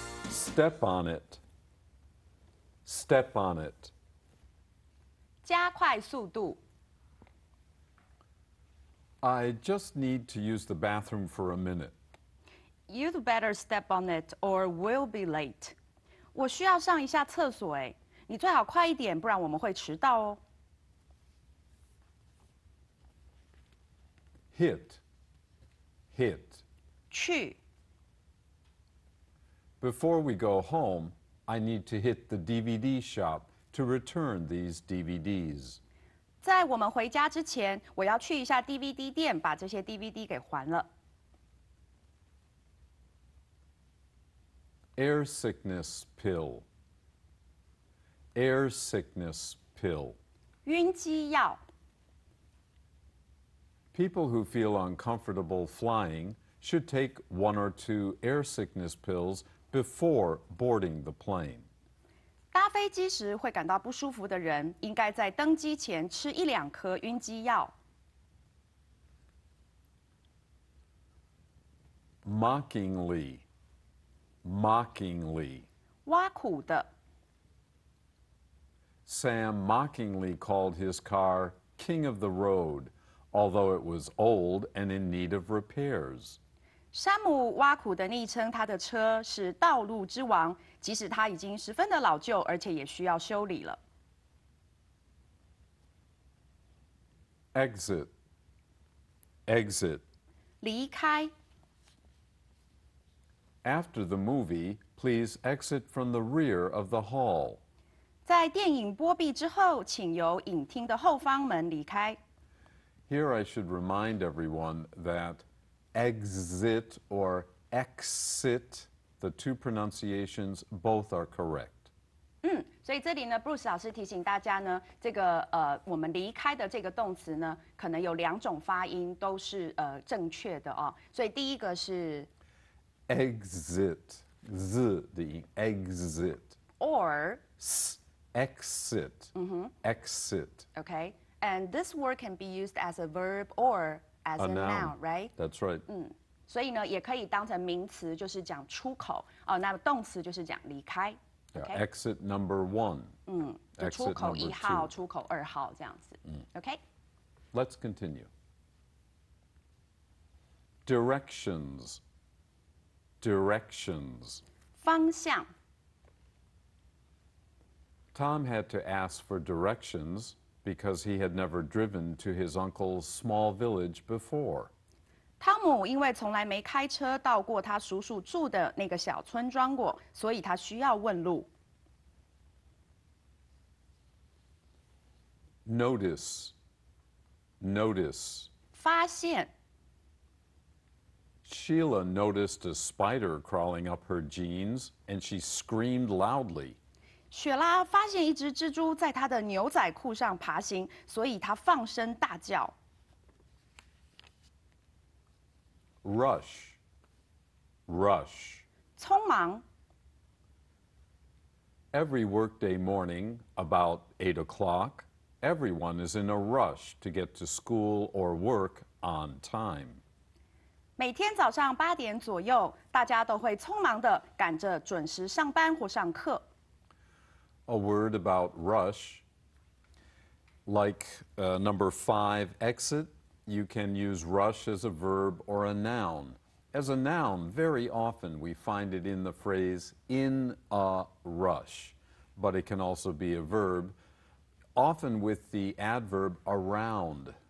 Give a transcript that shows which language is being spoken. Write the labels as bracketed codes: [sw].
[en] Step on it. Step on it. [zh] 加快速度。 [en] I just need to use the bathroom for a minute. You'd better step on it or we'll be late. [zh] 我需要上一下厕所耶。你最好快一点，不然我们会迟到哦。 [en] Hit. Hit. [zh] 去。 [en] Before we go home, I need to hit the DVD shop to return these DVDs. [zh] 在我们回家之前，我要去一下 DVD 店，把这些 DVD 给还了。 [en] Air sickness pill. Air sickness pill. [zh] 晕机药。 [en] People who feel uncomfortable flying should take one or two air sickness pills. Before boarding the plane. [zh] 搭飞机时会感到不舒服的人应该在登机前吃一两颗晕机药。 [en] Mockingly, mockingly. [zh] 挖苦的。 [en] Sam mockingly called his car King of the Road, although it was old and in need of repairs. [zh] 山姆挖苦地昵称他的车是道路之王，即使他已经十分的老旧，而且也需要修理了。 [en] Exit. Exit. [zh] 离开。 [en] After the movie, please exit from the rear of the hall. [zh] 在电影播毕之后，请由影厅的后方门离开。 [en] Here I should remind everyone that. Exit or exit, the two pronunciations both are correct. [zh] 所以这里呢 ，Bruce 老师提醒大家呢，这个我们离开的这个动词呢，可能有两种发音都是正确的哦。所以第一个是 [en] exit, [zh] z 的音 [en] exit, or exit, exit. Okay, and this word can be used as a verb or. As a noun, right? That's right. [zh] 所以呢，也可以当成名词，就是讲出口。哦，那动词就是讲离开。 [en] Yeah, okay? Exit number one. [zh] 出口一号，出口二号这样子。 [en] Okay. Let's continue. Directions. Directions. [zh] 方向。 [en] Tom had to ask for directions. Because he had never driven to his uncle's small village before. [zh] Tom, 因为从来没开车到过他叔叔住的那个小村庄过，所以他需要问路。 [en] Notice, notice. [zh] 发现。 [en] Sheila noticed a spider crawling up her jeans, and she screamed loudly. [zh] 雪拉发现一只蜘蛛在她的牛仔裤上爬行，所以她放声大叫。 [en] Rush, rush. [zh] 匆忙。 [en] Every workday morning, about 8 o'clock, everyone is in a rush to get to school or work on time. [zh] 每天早上八点左右，大家都会匆忙地赶着准时上班或上课。 [en] A word about rush, like number five, exit, you can use rush as a verb or a noun. As a noun, very often we find it in the phrase in a rush, but it can also be a verb, often with the adverb around.